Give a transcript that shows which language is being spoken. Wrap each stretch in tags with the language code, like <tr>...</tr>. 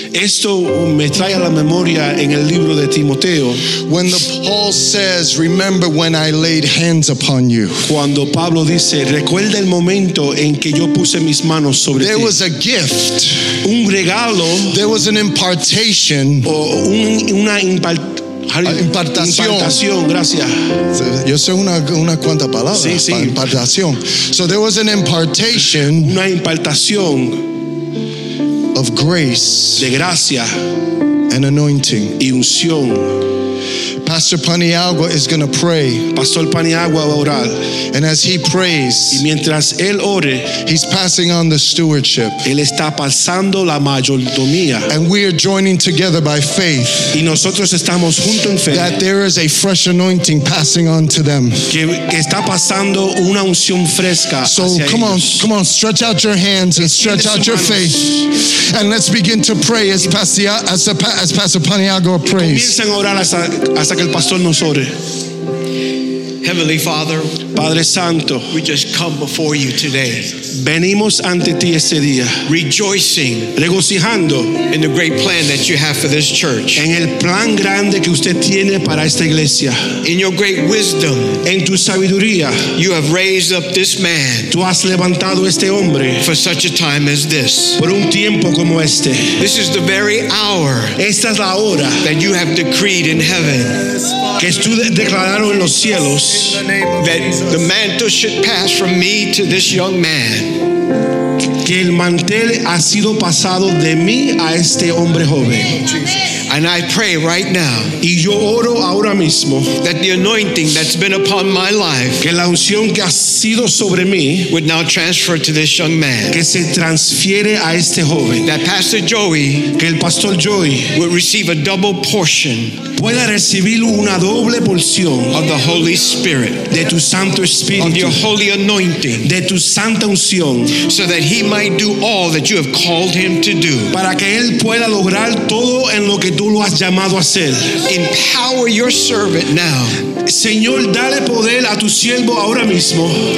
<es>Esto me trae a la memoria en el libro de Timoteo.</es> <en>When the Paul says, "Remember when I laid hands upon you."</en> <es>Cuando Pablo dice, recuerda el momento en que yo puse mis manos sobre</es> <en>there There was a gift.</en> <es>Un regalo.</es> <en>There was an impartation.</en> <es>Impartación. Gracias. Yo sé una cuanta palabra. Sí, sí. Impartación.</es> <en>So there was an impartation.</en> <es>Una impartación.</es> <en>Of grace.</en> <es>De gracia.</es> <en>And anointing.</en> <es>Y unción.</es> <en>Pastor Paniagua is going to pray.</en> <es>Pastor Paniagua va a orar.</es> <en>And as he prays,</en> <es>y mientras él ore,</es> <en>he's passing on the stewardship.</en> <es>Él está pasando la mayordomía.</es> <en>And we are joining together by faith.</en> <es>Y nosotros estamos junto en fe.</es> <en>That there is a fresh anointing passing on to them.</en> <es>Que está pasando una unción fresca.</es> <en>So come</en> <es>ellos.</es> <en>On, come on, stretch out your hands and stretch out your faith. And let's begin to pray as Pastor Paniagua prays.</en> <es>Comiencen a orar hasta que el pastor nos ore.</es> <en>Heavenly Father,</en> <es>Padre Santo,</es> <en>we just come before you today.</en> <es>Venimos ante ti este día,</es> <en>rejoicing,</en> <es>regocijando,</es> <en>in the great plan that you have for this church.</en> <es>En el plan grande que usted tiene para esta iglesia.</es> <en>In your great wisdom,</en> <es>en tu sabiduría,</es> <en>you have raised up this man.</en> <es>Tú has levantado este hombre</es> <en>for such a time as this.</en> <es>Por un tiempo como este.</es> <en>This is the very hour.</en> <es>Esta es la hora</es> <en>that you have decreed in heaven.</en> <es>Que tú declararon en los cielos.</es> <en>That the mantle should pass from me to this young man.</en> <es>Que el mantel ha sido pasado de mí a este hombre joven.</es> <en>And I pray right now.</en> <es>Y yo oro ahora mismo.</es> <en>That the anointing that's been upon my life.</en> <es>Que la unción que ha sido sobre mí.</es> <en>Would now transfer to this young man.</en> <es>Que se transfiere a este joven.</es> <en>That Pastor Joey.</en> <es>Que el Pastor Joey.</es> <en>Would receive a double portion.</en> <es>Pueda recibir una doble porción.</es> <en>Of the Holy Spirit.</en> <es>De tu Santo Espíritu.</es> <en>Of your holy anointing.</en> <es>De tu Santa Unción.</es> <en>So that he might do all that you have called him to do.</en> <es>Para que él pueda lograr todo en lo que tú lo has llamado a hacer.</es> <en>Empower your servant now.</en> <es>Señor, dale poder a tu siervo ahora mismo.</es>